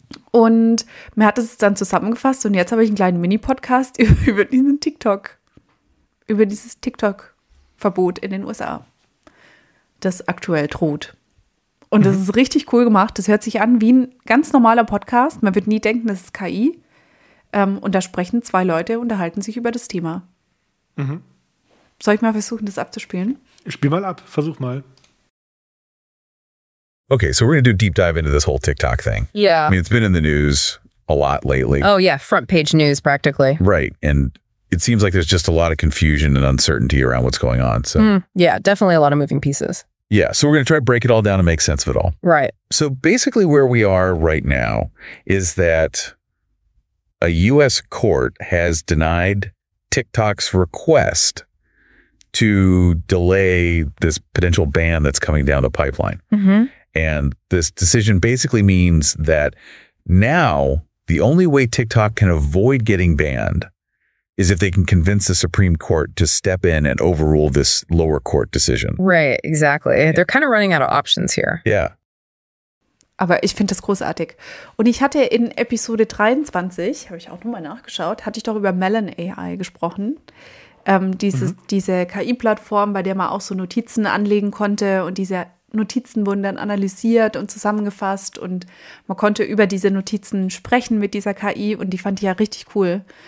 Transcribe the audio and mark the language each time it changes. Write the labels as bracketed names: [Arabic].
[German] Und mir hat es dann zusammengefasst und jetzt habe ich einen kleinen Mini-Podcast über dieses TikTok-Verbot in den USA, das aktuell droht. Und das ist richtig cool gemacht. Das hört sich an wie ein ganz normaler Podcast. Man wird nie denken, das ist KI. Und da sprechen zwei Leute, unterhalten sich über das Thema. Soll ich mal versuchen, das abzuspielen? Spiel mal ab, versuch mal. [English] Okay, so we're going to do a deep dive into this whole TikTok thing. Yeah. I mean, it's been in the news a lot lately. Oh, yeah. Front page news, practically. Right. And it seems like there's just a lot of confusion and uncertainty around what's going on. So Yeah, definitely a lot of moving pieces. Yeah. So we're going to try to break it all down and make sense of it all. Right. So basically where we are right now is that a U.S. court has denied TikTok's request to delay this potential ban that's coming down the pipeline. And this decision basically means that now the only way TikTok can avoid getting banned is if they can convince the Supreme Court to step in and overrule this lower court decision. Right, exactly. Yeah. They're kind of running out of options here. Yeah. [German] Aber ich finde das großartig. Und ich hatte in Episode 23, habe ich auch nochmal nachgeschaut, hatte ich doch über Melon AI gesprochen. Diese KI-Plattform, bei der man auch so Notizen anlegen konnte und diese Notizen wurden dann analysiert und zusammengefasst und man konnte über diese Notizen sprechen mit dieser KI und die fand ich ja richtig cool.